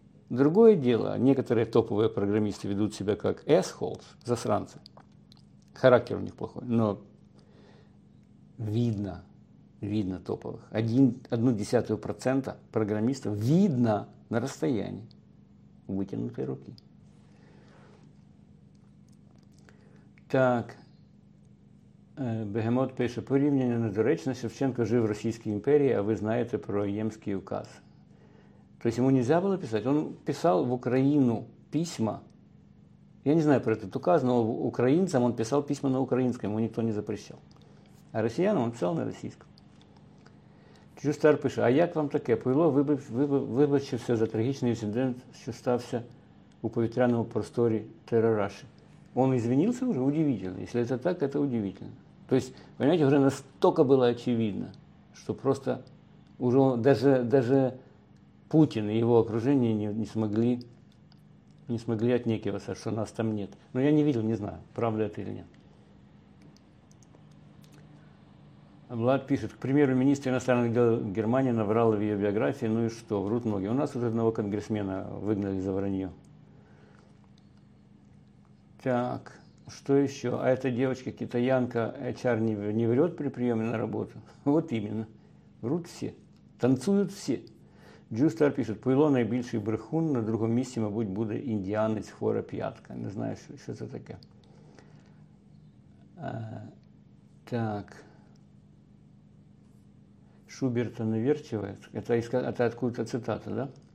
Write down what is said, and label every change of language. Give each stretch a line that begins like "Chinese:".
Russian: Другое дело, некоторые топовые программисты ведут себя как assholes, засранцы. Характер у них плохой, но видно топовых. 0,1% программистов видно на расстоянии вытянутой руки.
Ukrainian: Так, Бегемот пише, порівняння недоречне, Шевченко жив в Російській імперії, а ви знаєте про Ємський указ.
Russian: То есть ему нельзя было писать? Он писал в Украину письма. Я не знаю про этот указ, но украинцам он писал письма на украинском, ему никто не запрещал. А россиянам он писал на российском.
Ukrainian: Чустар пише, а як вам таке? Пило вибачився за трагічний інцидент, що стався у повітряному просторі Терраші.
Russian: Он извинился уже? Удивительно. Если это так, это удивительно. То есть, понимаете, уже настолько было очевидно, что просто уже даже Путин и его окружение не смогли отнекиваться, что нас там нет. Но я не видел, не знаю, правда это или нет. Влад пишет, к примеру, министр иностранных дел Германии наврал в ее биографии, ну и что, врут многие. У нас уже одного конгрессмена выгнали за вранье. Так, что еще? А эта девочка, китаянка, HR не врет при приеме на работу? Вот именно. Врут все. Танцуют все.
Ukrainian: Джустар пишет, Пуйло найбільший брехун,
Russian: на другом
Ukrainian: місці, мабуть, буде індіанець хвора п'ятка. Не знаю, що це таке. Так. Шуберта наверчиває. Це
Russian: откуда цитата, да?